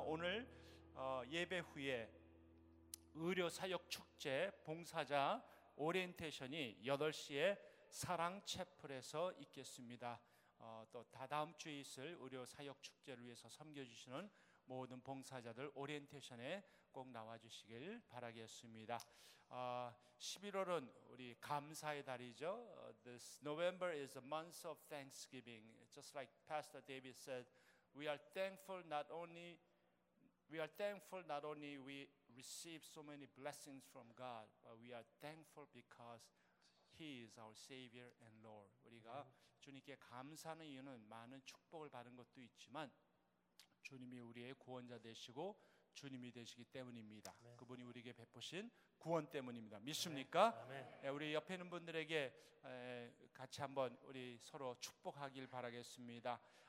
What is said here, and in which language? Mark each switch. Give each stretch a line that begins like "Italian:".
Korean: 오늘 예배 후에 의료사역축제 봉사자 오리엔테이션이 8시에 사랑채플에서 있겠습니다. 또 다다음 주에 있을 의료사역축제를 위해서 섬겨주시는 모든 봉사자들 오리엔테이션에 꼭 나와주시길 바라겠습니다. 11월은 우리 감사의 달이죠.
English: This November is a month of thanksgiving. Just like Pastor David said, we are thankful not only we receive so many blessings from God, but we are thankful because He is our Savior and Lord.
Korean: 우리가 주님께 감사하는 이유는 많은 축복을 받은 것도 있지만 주님이 우리의 구원자 되시고 주님이 되시기 때문입니다. 아멘. 그분이 우리에게 베푸신 구원 때문입니다. 믿습니까? 아멘. 네, 우리 옆에 있는 분들에게 같이 한번 우리 서로 축복하길 바라겠습니다.